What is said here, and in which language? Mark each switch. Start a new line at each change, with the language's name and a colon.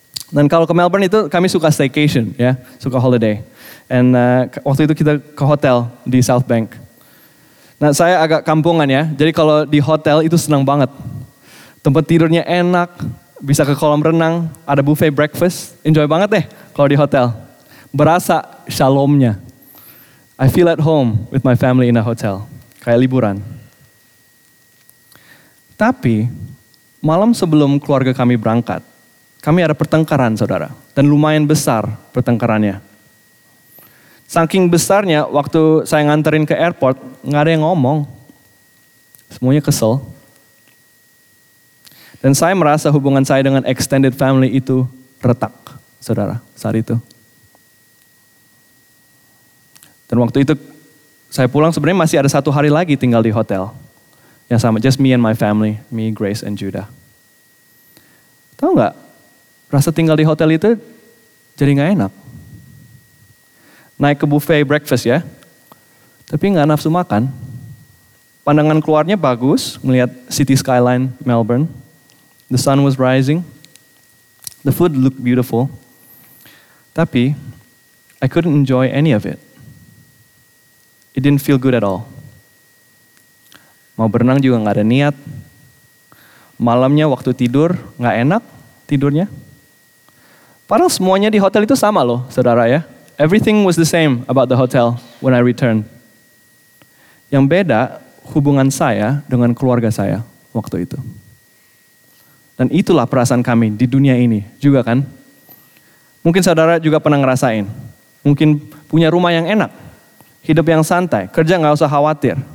Indonesian: Dan kalau ke Melbourne itu kami suka staycation, ya, suka holiday. And waktu itu kita ke hotel di South Bank. Nah, saya agak kampungan ya, jadi kalau di hotel itu senang banget. Tempat tidurnya enak, bisa ke kolam renang, ada buffet breakfast. Enjoy banget deh kalau di hotel. Berasa shalomnya.
English: I feel at home with my family in a hotel.
Indonesian: Kayak liburan. Tapi, malam sebelum keluarga kami berangkat, kami ada pertengkaran, saudara. Dan lumayan besar pertengkarannya. Saking besarnya, waktu saya nganterin ke airport, gak ada yang ngomong. Semuanya kesel. Dan saya merasa hubungan saya dengan extended family itu retak, saudara, saat itu. Dan waktu itu, saya pulang sebenarnya masih ada satu hari lagi tinggal di hotel. Yang sama,
English: just me and my family, me, Grace, and Judah.
Indonesian: Tahu gak, rasa tinggal di hotel itu jadi gak enak. Naik ke buffet breakfast ya, tapi gak nafsu makan. Pandangan keluarnya bagus, melihat city skyline Melbourne.
English: The sun was rising. The food looked beautiful. Tapi, I couldn't enjoy any of it. It didn't feel good at all.
Indonesian: Mau berenang juga gak ada niat. Malamnya waktu tidur, gak enak tidurnya. Padahal semuanya di hotel itu sama loh, saudara ya.
English: Everything was the same about the hotel when I returned.
Indonesian: Yang beda, hubungan saya dengan keluarga saya waktu itu. Dan itulah perasaan kami di dunia ini juga kan. Mungkin saudara juga pernah ngerasain. Mungkin punya rumah yang enak. Hidup yang santai, kerja gak usah khawatir.